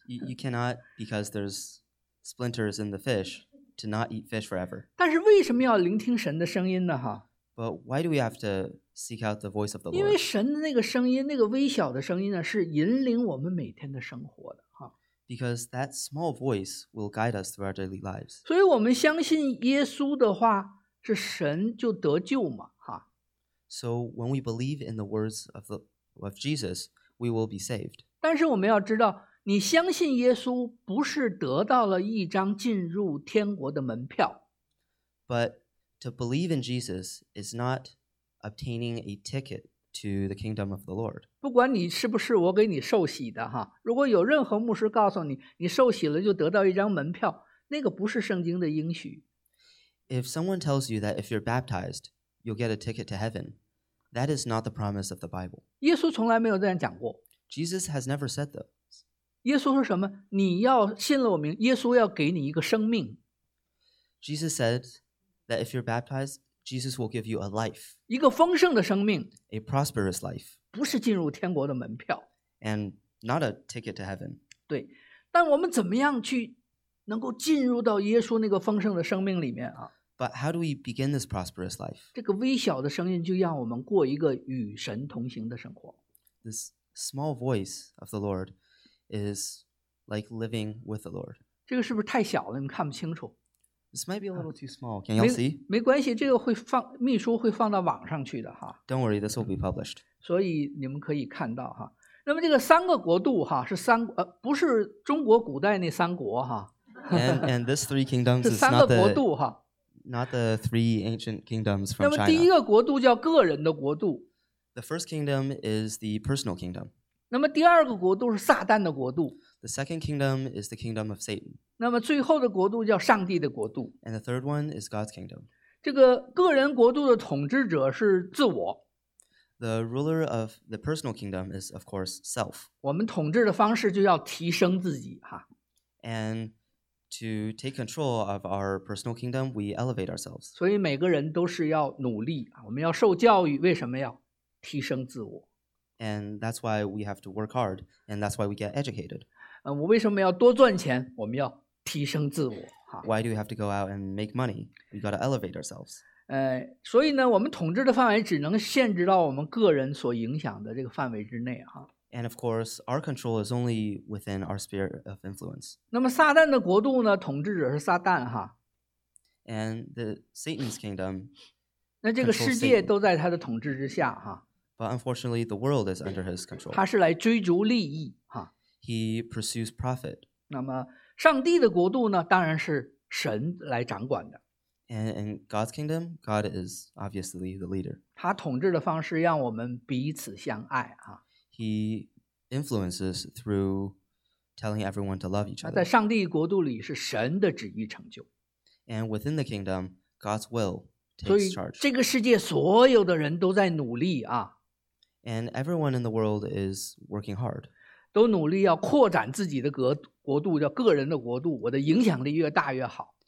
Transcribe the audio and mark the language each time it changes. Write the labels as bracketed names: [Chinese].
[English] ？You cannot because there's splinters in the fish to not eat fish forever. [Chinese] 但是为什么要聆听神的声音呢？哈 [English] ？But why do we have to? Seek out the voice of the Lord. [Chinese] 因为神的那个声音，那个微小的声音呢，是引领我们每天的生活的哈。 [English] Because that small voice will guide us through our daily lives. [Chinese] 所以我们相信耶稣的话，是神就得救嘛哈。 [English] So when we believe in the words of Jesus, we will be saved. [Chinese] 但是我们要知道，你相信耶稣不是得到了一张进入天国的门票。 [English] But to believe in Jesus is not. Obtaining a ticket to the kingdom of the Lord. [Chinese] 不管你是不是我给你受洗的哈，如果有任何牧师告诉你，你受洗了就得到一张门票，那个不是圣经的应许。 [English] If someone tells you that if you're baptized, you'll get a ticket to heaven, that is not the promise of the Bible. [Chinese] 耶稣从来没有这样讲过。 [English] Jesus has never said that. [Chinese] 耶稣说什么？你要信了我名，耶稣要给你一个生命。 [English] Jesus said that if you're baptized,Jesus will give you a life, [Chinese] 一个丰盛的生命 [English] a prosperous life, [Chinese] 不是进入天国的门票 [English] and not a ticket to heaven. [Chinese] 对，但我们怎么样去能够进入到耶稣那个丰盛的生命里面啊？ [English] But how do we begin this prosperous life? [Chinese] 这个微小的声音就让我们过一个与神同行的生活。 [English] This small voice of the Lord is like living with the Lord. [Chinese] 这个是不是太小了？你看不清楚。 [English] This might be a little too small. Can y'all see? [Chinese] 没关系，这个会放秘书会放到网上去的哈。 [English] Don't worry, this will be published. [Chinese] 所以你们可以看到哈。那么这个三个国度哈是三不是中国古代那三国哈。 [English] And this three kingdoms is [Chinese] 三个国度哈。 [English] Not the three ancient kingdoms from China. [Chinese] 那么第一个国度叫个人的国度。 [English] The first kingdom is the personal kingdom. [Chinese] 那么第二个国度是撒旦的国度。 [English] The second kingdom is the kingdom of Satan. [Chinese] 那么最后的国度叫上帝的国度。 [English] And the third one is God's kingdom. [Chinese] 这个个人国度的统治者是自我。 [English] The ruler of the personal kingdom is, of course, self. [Chinese] 我们统治的方式就要提升自己哈。 [English] And to take control of our personal kingdom, we elevate ourselves. [Chinese] 所以每个人都是要努力，我们要受教育，为什么要提升自我？ [English] And that's why we have to work hard, and that's why we get educated. [Chinese] 我为什么要多赚钱？我们要提升自我。 [English] Why do we have to go out and make money? We got to elevate ourselves. [Chinese] 所以呢，我们统治的范围只能限制到我们个人所影响的这个范围之内啊。 [English] And of course, our control is only within our sphere of influence. [Chinese] 那么撒旦的国度呢？统治者是撒旦哈。 [English] And the Satan's kingdom. [Chinese] 那这个世界都在他的统治之下哈。 [English] But unfortunately, the world is under his control. [Chinese] 他是来追逐利益哈。 [English] He pursues profit. [Chinese] 那么上帝的国度呢？当然是神来掌管的。 [English] And in God's kingdom, God is obviously the leader. [Chinese] 他统治的方式让我们彼此相爱哈。 [English] He influences through telling everyone to love each other. [Chinese] 在上帝国度里是神的旨意成就。 [English] And within the kingdom, God's will takes charge. [Chinese] 所以这个世界所有的人都在努力啊。 [English] And everyone in the world is working hard. [Chinese] 都努力要扩展自己的国度，叫个人的国度，我的影响力越大越好。